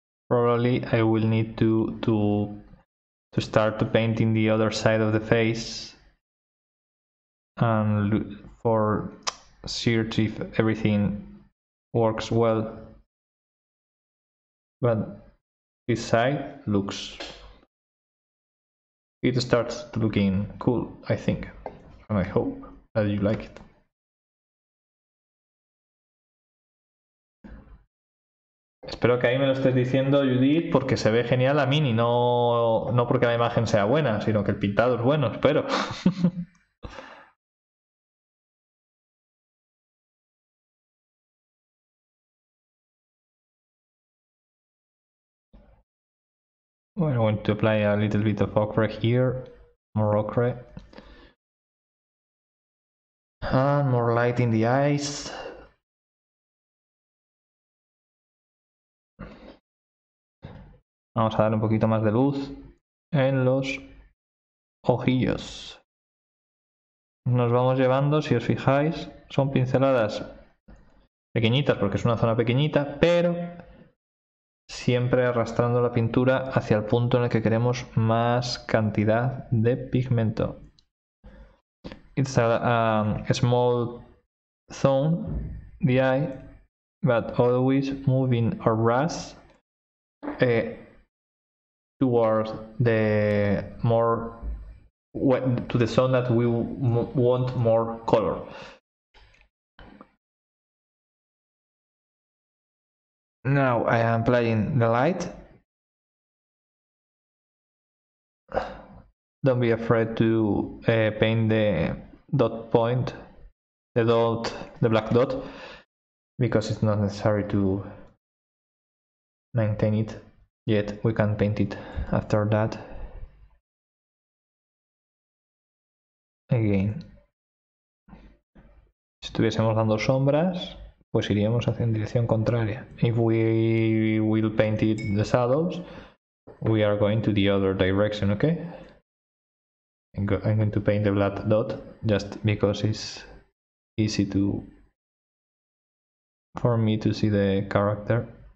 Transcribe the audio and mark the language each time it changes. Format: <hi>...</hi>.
<en>Probably I will need to start to painting the other side of the face and for see if everything works well, but this side looks, it starts looking cool, I think, and I hope that you like it.</en> <es>Espero que ahí me lo estés diciendo, Judith, porque se ve genial a Mini, no porque la imagen sea buena, sino que el pintado es bueno, espero.</es> <en>I want to apply a little bit of ochre here, more ochre, and more light in the eyes.</en> <es>Vamos a dar un poquito más de luz en los ojillos. Nos vamos llevando, si os fijáis, son pinceladas pequeñitas porque es una zona pequeñita, pero siempre arrastrando la pintura hacia el punto en el que queremos más cantidad de pigmento.</es> <en>It's a small zone, the eye, but always moving our brush towards the more, to the zone that we want more color. Now I am playing the light. Don't be afraid to paint the dot point, the black dot, because it's not necessary to maintain it yet. We can paint it after that again.</en> <es>Si estuviésemos dando sombras, pues iríamos hacia en dirección contraria.</es> <en>If we will paint it the shadows, we are going to the other direction, okay? I'm going to paint the black dot just because it's easy to for me to see the character.</en>